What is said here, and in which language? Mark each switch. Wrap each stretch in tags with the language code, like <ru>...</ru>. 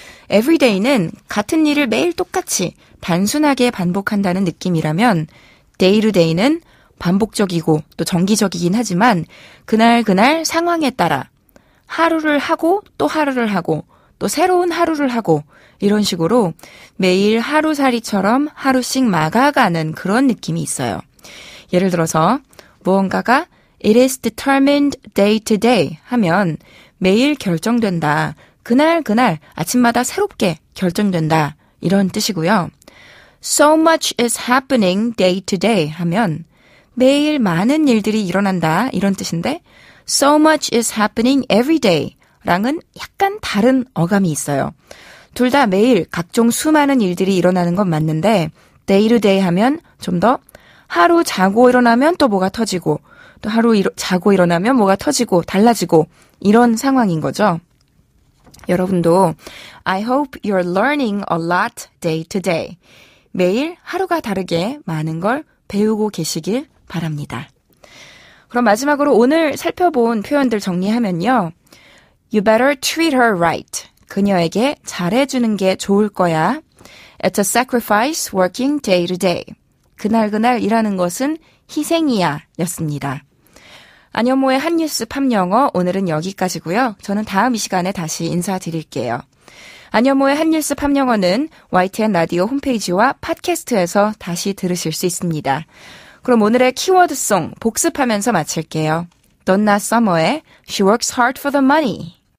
<ko>everyday는 같은 일을 매일 똑같이 단순하게 반복한다는 느낌이라면 day-to-day는 반복적이고 또 정기적이긴 하지만 그날그날 상황에 따라 하루를 하고 또 하루를 하고 또 새로운 하루를 하고 이런 식으로 매일 하루살이처럼 하루씩 막아가는 그런 느낌이 있어요. 예를 들어서 무언가가</ko> <en>It is determined day to day</en> <ko>하면 매일 결정된다. 그날 그날 아침마다 새롭게 결정된다. 이런 뜻이고요.</ko> <en>So much is happening day to day</en> <ko>하면 매일 많은 일들이 일어난다. 이런 뜻인데</ko> <en>So much is happening every day</en> <ko>랑은 약간 다른 어감이 있어요. 둘 다 매일 각종 수많은 일들이 일어나는 건 맞는데 day to day 하면 좀 더 하루 자고 일어나면 또 뭐가 터지고 또 하루 자고 일어나면 뭐가 터지고 달라지고 이런 상황인 거죠. 여러분도</ko> <en>I hope you're learning a lot day to day.</en> <ko>매일 하루가 다르게 많은 걸 배우고 계시길 바랍니다. 그럼 마지막으로 오늘 살펴본 표현들 정리하면요.</ko> <en>You better treat her right.</en> <ko>그녀에게 잘해주는 게 좋을 거야.</ko> <en>It's a sacrifice working day to day.</en> <ko>그날그날 일하는 것은 희생이야 였습니다. 안현모의 한뉴스 팝영어 오늘은 여기까지고요. 저는 다음 이 시간에 다시 인사드릴게요. 안현모의 한뉴스 팝영어는 YTN 라디오 홈페이지와 팟캐스트에서 다시 들으실 수 있습니다. 그럼 오늘의 키워드송 복습하면서 마칠게요. Donna Summer의 She Works Hard for the Money.</ko>